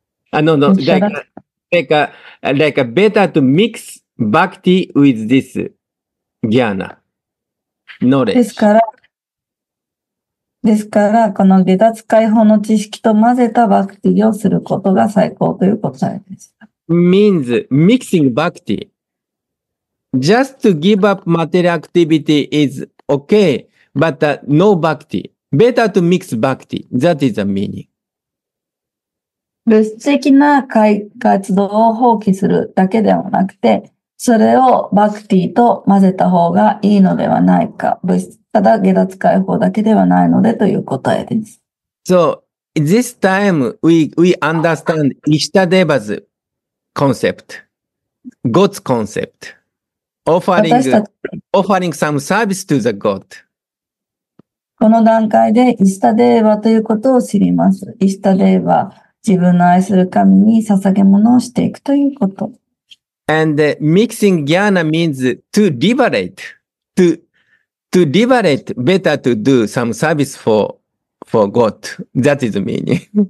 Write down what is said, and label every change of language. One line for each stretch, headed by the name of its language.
English: Like better to mix bhakti with this jnana knowledge.
Japanese: ですから、この下脱解放の知識と混ぜたバクティをすることが最高という答えでした。
English: Means mixing bhakti. Just to give up material activity is okay, but no bhakti. Better to mix bhakti. That is the meaning.
Japanese: 物質的な活動を放棄するだけではなくて、それをバクティと混ぜた方がいいのではないか。物質、ただ下脱解放だけではないのでという答えです。
English: So, this time we understand Ishtadeva's concept, God's concept, offering some service to the God.
Japanese: この段階でイスタデーバということを知ります。イスタデーバ、自分の愛する神に捧げ物をしていくということ。
English: And mixing jhana means to liberate, to liberate, better to do some service for God. That is the meaning.